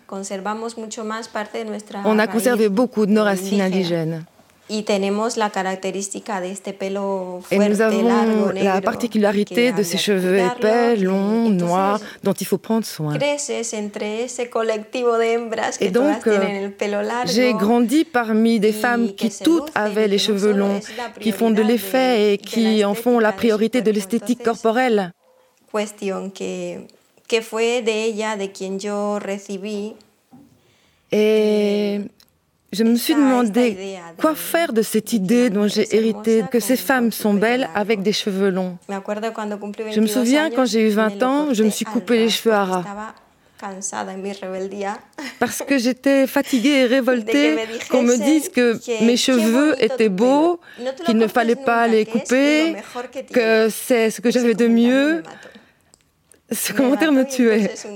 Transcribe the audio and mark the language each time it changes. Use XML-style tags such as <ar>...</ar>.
<es>Conservamos mucho más parte de nuestra</es> <fr>On a conservé beaucoup de nos racines indigènes.</fr> <es>Y tenemos la característica de este pelo fuerte, largo, negro.</es> <fr>Et nous avons la particularité de ces cheveux épais, longs, noirs, dont il faut prendre soin.</fr> <es>Creces entre ese colectivo de hembras que todas tienen el pelo largo.</es> <fr>J'ai grandi parmi des femmes qui toutes avaient les cheveux longs, qui font de l'effet et qui en font la priorité de l'esthétique corporelle.</fr> <es>Cuestión que fue de ella de quien yo recibí.</es> <fr>Je me suis demandé quoi faire de cette idée dont j'ai hérité, que ces femmes sont belles avec des cheveux longs. Je me souviens quand j'ai eu 20 ans, je me suis coupé les cheveux à ras. Parce que j'étais fatiguée et révoltée qu'on me dise que mes cheveux étaient beaux, qu'il ne fallait pas les couper, que c'est ce que j'avais de mieux. Ce commentaire me tuait.</fr>